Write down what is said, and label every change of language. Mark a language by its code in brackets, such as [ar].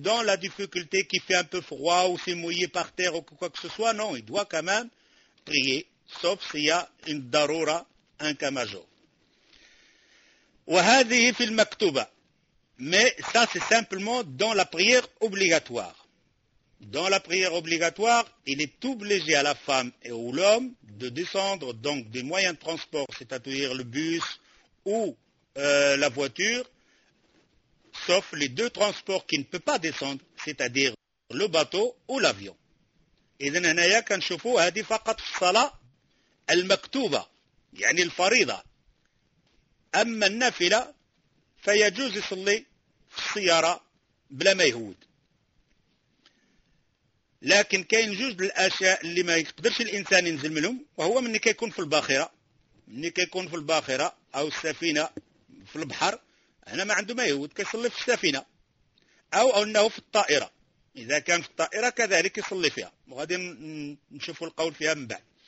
[fr] la difficulté qui fait un peu froid ou c'est mouillé par terre ou quoi que ce soit non il doit quand même prier sauf s'il y a une darura, un cas majeur. [ar] وهذه في المكتوبة. [fr] Mais ça, c'est simplement dans la prière obligatoire. Dans la prière obligatoire, il est obligé à la femme et à l'homme de descendre donc des moyens de transport, c'est-à-dire le bus ou la voiture, sauf les deux transports qui ne peuvent pas descendre, c'est-à-dire le bateau ou l'avion. [ar] إذن هنايا كنشوفوا هذه فقط في الصلاة المكتوبة يعني الفريضة أما النافلة فيجوز يصلي في السيارة بلا ما يهود. لكن كاين جوج الأشياء اللي ما يقدرش الإنسان ينزل منهم، وهو مني كيكون في الباخرة، مني كيكون في الباخرة أو السفينة في البحر، هنا ما عنده ما يهود كيصلي في السفينة، أو أنه في الطائرة، إذا كان في الطائرة كذلك يصلي فيها، وغادي نشوف القول فيها من بعد.